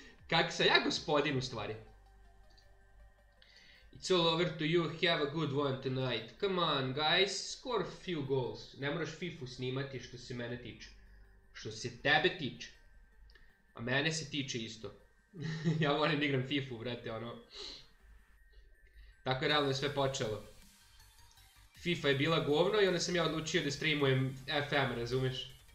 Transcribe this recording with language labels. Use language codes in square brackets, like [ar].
[sr] Kako sam ja gospodin u stvari. [en] It's all over to you, have a good one tonight. Come on guys, score a few goals. [sr] Ne moraš FIFA snimati što se mene tiče. Što se tebe tiče. A mene se tiče isto. Ja volim da igram FIFA, brate, ono. Tako je realno sve počelo. FIFA je bila govno i onda sam ja odlučio da streamujem FM, razumeš?